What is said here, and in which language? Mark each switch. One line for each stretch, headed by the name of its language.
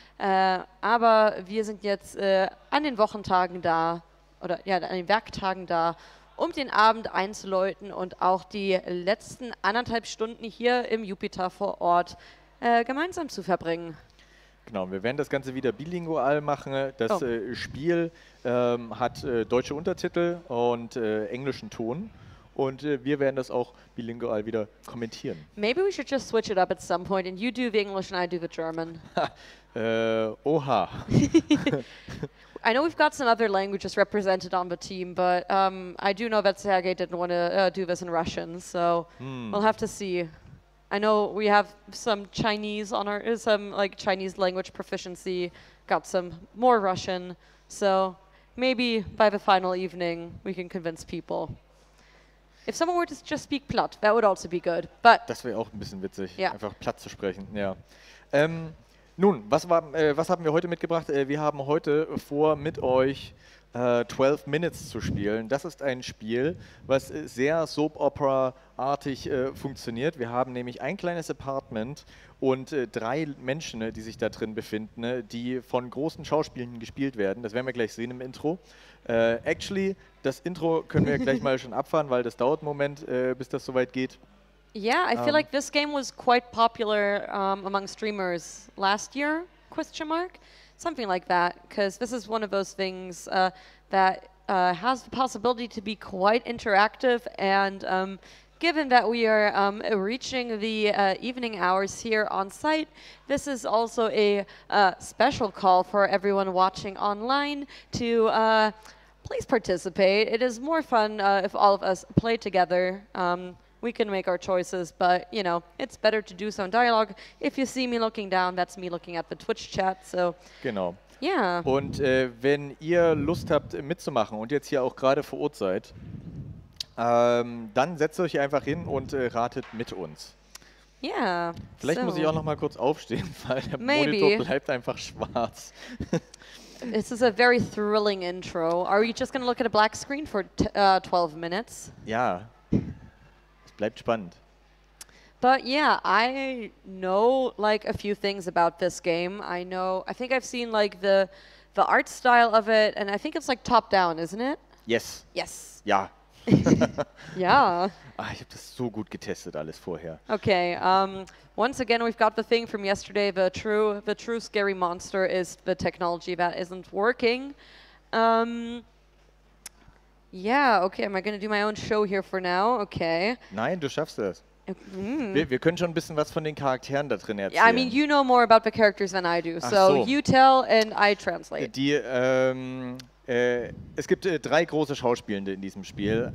German: Aber wir sind jetzt an den Wochentagen da, oder ja, an den Werktagen da, um den Abend einzuläuten und auch die letzten anderthalb Stunden hier im Jupiter vor Ort gemeinsam zu verbringen. Genau, wir werden das Ganze wieder bilingual machen. Das Spiel hat deutsche Untertitel und englischen Ton. Und wir werden das auch bilingual wieder kommentieren.
English: Maybe we should just switch it up at some point and you do the English and I do the German. oha. I know we've got some other languages represented on the team, but I do know that Sergei didn't want to do this in Russian, so we'll have to see. I know we have some Chinese on our, some like Chinese language proficiency, got some more Russian, so maybe by the final evening we can convince people. If someone were to just speak platt, that would also be good, but...
German: Das wäre auch ein bisschen witzig,
English: yeah.
German: Einfach platt zu sprechen, ja. Nun, was haben wir heute mitgebracht? Wir haben heute vor, mit euch 12 Minutes zu spielen. Das ist ein Spiel, was sehr Soap Opera-artig funktioniert. Wir haben nämlich ein kleines Apartment und drei Menschen, die sich da drin befinden, die von großen Schauspielern gespielt werden. Das werden wir gleich sehen im Intro.
English: Actually,
German: das Intro können wir gleich mal schon abfahren, weil das dauert einen Moment, bis das soweit geht.
English: Yeah, I feel like this game was quite popular among streamers last year, question mark, something like that, because this is one of those things that has the possibility to be quite interactive, and given that we are reaching the evening hours here on site, this is also a special call for everyone watching online to please participate. It is more fun if all of us play together. We can make our choices, but, you know, it's better to do so in dialogue. If you see me looking down, that's me looking at the Twitch chat, so...
German: Genau.
English: Yeah.
German: Und wenn ihr Lust habt, mitzumachen und jetzt hier auch gerade vor Ort seid, dann setzt euch einfach hin und ratet mit uns.
English: Yeah.
German: Vielleicht muss ich auch noch mal kurz aufstehen, weil der Monitor bleibt einfach schwarz.
English: This is a very thrilling intro. Are we just going to look at a black screen for 12 minutes? Yeah.
German: Bleibt spannend.
English: But yeah, I know like a few things about this game. I know, I think I've seen like the art style of it, and I think it's like top down, isn't it? Yes. Yes.
German: Ja. Ja. Ah, ich habe das so gut getestet alles vorher. Okay.
English: Once again, we've got the thing from yesterday. The true scary monster is the technology that isn't working. Yeah, okay, am I going to do my own show here for now? Okay.
German: Nein, du schaffst das. Wir können schon ein bisschen was von den Charakteren da drin erzählen.
English: Yeah, I mean, you know more about the characters than I do.
German: Ach so.
English: So you tell and I translate.
German: Die, es gibt drei große Schauspielende in diesem Spiel.